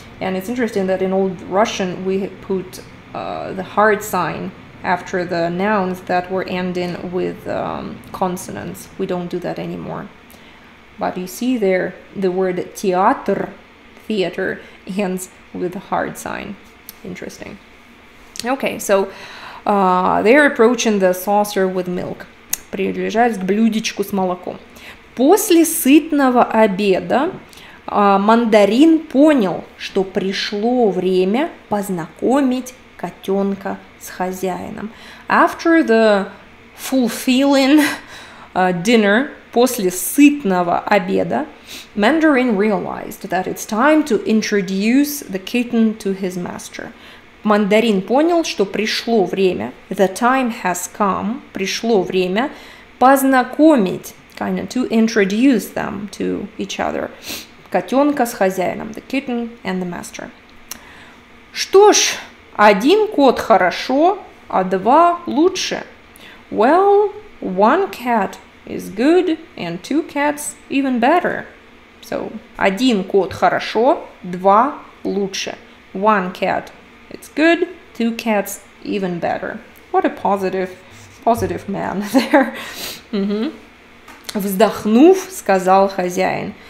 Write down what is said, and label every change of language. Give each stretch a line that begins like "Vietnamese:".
English: And it's interesting that in old Russian we put the hard sign after the nouns that were ending with consonants. We don't do that anymore. But you see there the word театр, theater, ends with a hard sign. Interesting. Okay, so they're approaching the saucer with milk.
Russian: Приближаясь к блюдечку с молоком. После сытного обеда мандарин понял, что пришло время познакомить котенка с хозяином.
English: After the fulfilling dinner,
Russian: после сытного обеда,
English: Mandarin realized that it's time to introduce the kitten to his master.
Russian: Мандарин понял, что пришло время,
English: the time has come,
Russian: пришло время познакомить,
English: kind of to introduce them to each other.
Russian: Котенка с хозяином,
English: the kitten and the master.
Russian: Что ж, один кот хорошо, а два лучше.
English: Well, one cat is good and two cats even better. So,
Russian: один кот хорошо, два лучше.
English: One cat it's good, two cats even better. What a positive man there.
Russian: Вздохнув, сказал хозяин.